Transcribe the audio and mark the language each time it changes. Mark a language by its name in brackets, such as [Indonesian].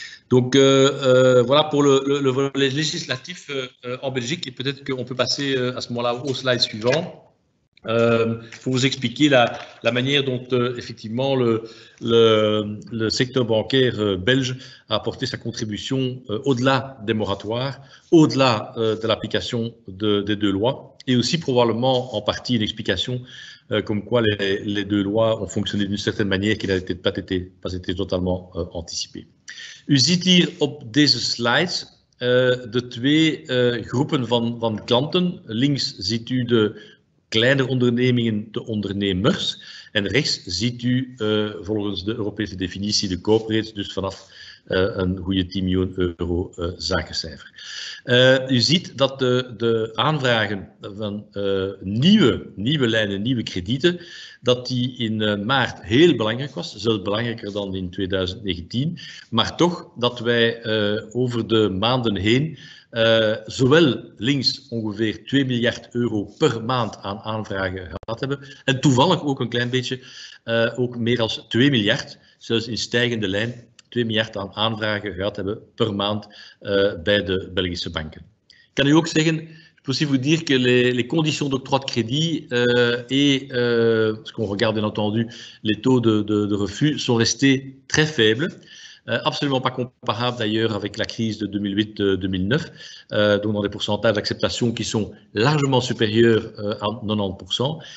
[French] Donc voilà pour le volet législatif en Belgique et peut-être qu'on peut passer à ce moment-là au slide suivant pour vous expliquer la manière dont effectivement le secteur bancaire belge a apporté sa contribution au-delà des moratoires, au-delà de l'application des deux lois et aussi probablement en partie une explication comme quoi les deux lois ont fonctionné d'une certaine manière qui n'avait peut-être pas été totalement anticipée. [Dutch] Uziet hier op deze slides de twee groepen van klanten. Links ziet u de kleine ondernemingen, de ondernemers. En rechts ziet u volgens de Europese definitie de corporates, dus vanaf een goede 10 miljoen euro zakencijfer. U ziet dat de aanvragen van nieuwe lijnen, nieuwe kredieten, dat die in maart heel belangrijk was, zelfs belangrijker dan in 2019, maar toch dat wij over de maanden heen zowel links ongeveer 2 miljard euro per maand aan aanvragen gehad hebben en toevallig ook een klein beetje ook meer dan 2 miljard, zelfs in stijgende lijn, 2 miljard aan aanvragen gehad hebben per maand bij de Belgische banken. Ik kan u ook zeggen, [French] je peux vous dire que les conditions d'octroi de crédit et ce qu'on regarde bien entendu les taux de refus sont restés très faibles. Absolument pas comparable d'ailleurs avec la crise de 2008-2009, donc dans des pourcentages d'acceptation qui sont largement supérieurs à 90%.